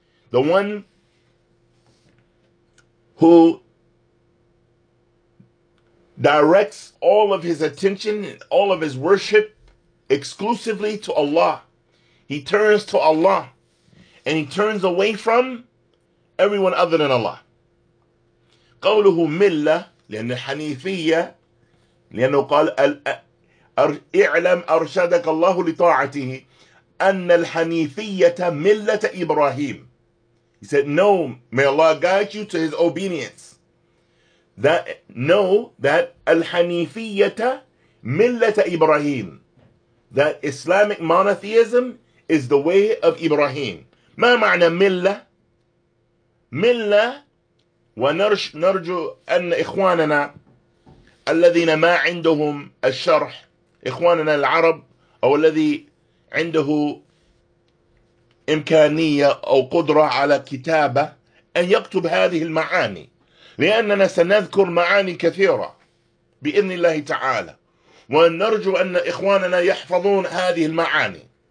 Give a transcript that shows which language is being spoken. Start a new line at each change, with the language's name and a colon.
English: The one who directs all of his attention and all of his worship exclusively to Allah. He turns to Allah and he turns away from everyone other than Allah.
Arabic: قوله ملة لأن الحنيفية لأنه قال اعلم أرشدك الله لطاعته أن الحنيفية ملة إبراهيم.
English: He said, no, may Allah guide you to His obedience. That know that
Arabic: Al-Hanifiyyata Millata Ibrahim.
English: That Islamic monotheism is the way of Ibrahim.
Arabic: ما معنى ملة؟ ملة ونرجو أن إخواننا الذين ما عندهم الشرح إخواننا العرب أو الذي عنده إمكانية أو قدرة على كتابة أن يكتب هذه المعاني لأننا سنذكر معاني كثيرة بإذن الله تعالى ونرجو أن إخواننا يحفظون هذه المعاني